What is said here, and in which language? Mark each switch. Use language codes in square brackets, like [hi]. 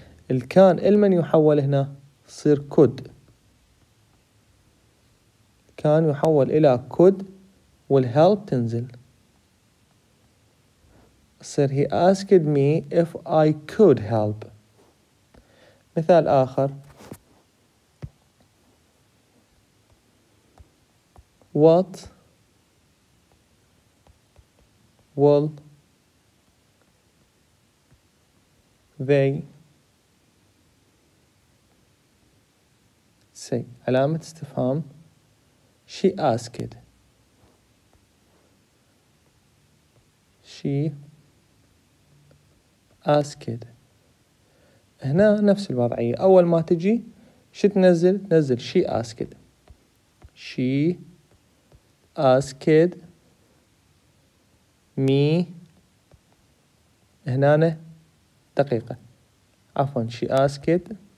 [ar] الكان المن يحول هنا صير كود. كان يحول إلى كود والهلب تنزل صير [en] he asked me if I could help. [ar] مثال آخر [en] what will they say. [ar] علامة استفهام [en] she asked she asked. [ar] هنا نفس الوضعية. أول ما تجي شو تنزل؟ تنزل [en] she asked she asked me. [ar] هنا دقيقة عفوا [en] she asked.